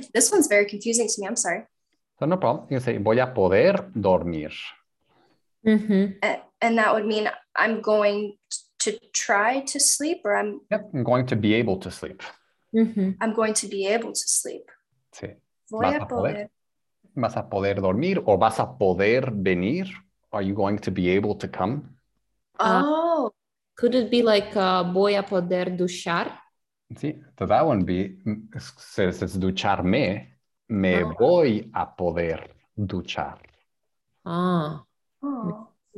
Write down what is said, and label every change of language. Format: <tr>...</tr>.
<en>This one's very confusing to me. I'm sorry. So no problem. You say,</en> <es>voy a poder dormir. Mm-hmm.</es> <en>And that would mean I'm going to try to sleep, or I'm... Yep, I'm going to be able to sleep. Mm-hmm. I'm going to be able to sleep.</en> <es>Sí. Voy a poder. ¿Vas a poder dormir o vas a poder venir?</es> <en>Are you going to be able to come? Oh. Could it be like</en> <es>voy a poder duchar?</es> <en>Sí, so that would be, since it's ducharme,</en> <es>me voy a poder duchar. Ah. Oh.</es>